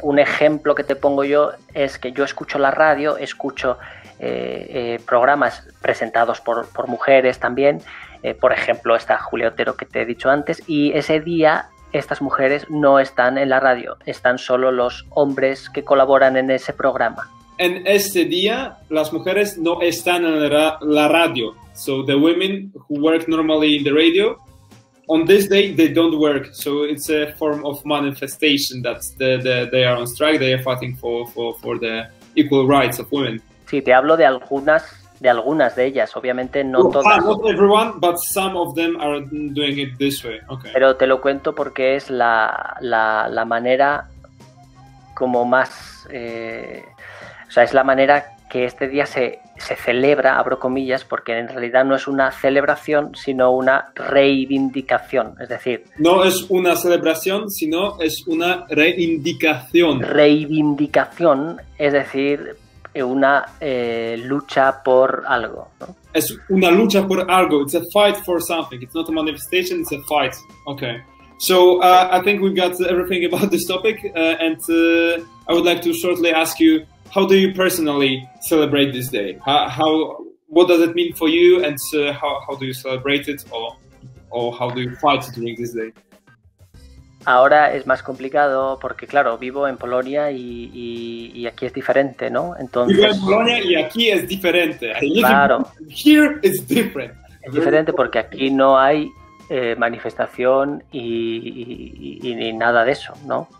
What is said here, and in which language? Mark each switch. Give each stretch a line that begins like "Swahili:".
Spanish: Un ejemplo que te pongo yo es que yo escucho la radio, escucho programas presentados por mujeres también. Por ejemplo, está Julia Otero que te he dicho antes. Y ese día estas mujeres no están en la radio. Están solo los hombres que colaboran en ese programa. En este día las mujeres no están en la radio.
English: So the women who work normally in the radio, on this day they don't work. So it's a form of manifestation that they are on strike. They are fighting for the equal rights of women.
Spanish: Sí, te hablo de algunas de ellas. Obviamente no todas.
English: Not everyone, but some of them are doing it this way. Okay.
Spanish: Pero te lo cuento porque es la manera como más o sea, es la manera que este día se celebra, abro comillas, porque en realidad no es una celebración, sino una reivindicación, es decir... No es una celebración, sino es una reivindicación. Reivindicación, es decir, una lucha por algo, ¿no? Es una lucha por algo,
English: it's a fight for something, it's not a manifestation, it's a fight. Okay. So I think we've got everything about this topic, and I would like to shortly ask you, how do you personally celebrate this day? How what does it mean for you, and how do you celebrate it, or how do you fight during this day?
Spanish: Ahora es más complicado porque claro vivo en Polonia y aquí es diferente, ¿no? Entonces vivo en Polonia y aquí es diferente. Claro.
English: Here is different.
Spanish: Es diferente porque aquí no hay manifestación y nada de eso, ¿no?